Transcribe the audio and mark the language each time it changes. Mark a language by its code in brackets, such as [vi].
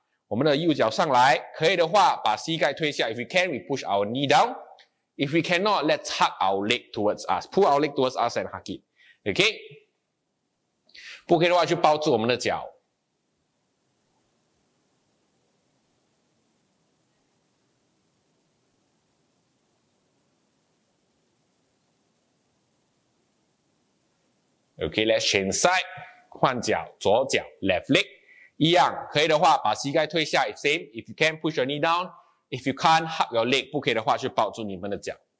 [zh] 我们的右脚上来，可以的话，把膝盖推下。 [en] If we can, we push our knee down. If we cannot, let's hug our leg towards us. Pull our leg towards us and hug it. Okay. [zh] 不可以的话，就抱住我们的脚。 [en] Okay, let's change side, [zh] 换脚，左脚 [en] left leg, [zh] 一样，可以的话把膝盖推下 [en] ,same, if you can push your knee down, if you can't hug your leg, [zh] 不可以的话就抱住你们的脚。